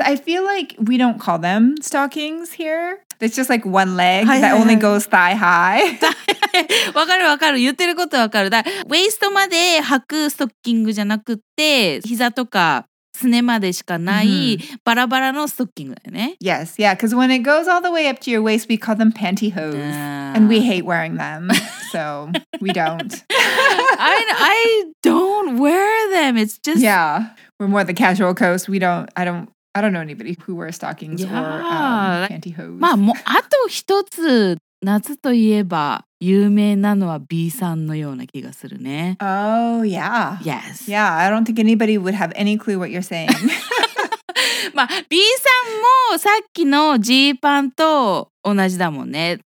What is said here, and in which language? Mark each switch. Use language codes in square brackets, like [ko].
[en] I feel like we don't call them stockings here. It's just like one leg that only goes thigh high. [ja] わかるわかる。言ってることわかる。だからウェイストまで履くストッキングじゃなくて、膝とかすねまでしかないバラバラのストッキングだよね。 [en] Yes, yeah. Because when it goes all the way up to your waist, we call them pantyhose. And we hate wearing them. So we don't. I don't wear them. It's just... Yeah. We're more the casual coast. We don't... I don't know anybody who wears stockings or pantyhose. [ja] まあ、もうあと一つ、夏といえば有名なのは B さんのような気がするね。 [en] Oh, yeah. Yes. Yeah, I don't think anybody would have any clue what you're saying. [ja] まあ、B さんもさっきのGパンと同じだもんね。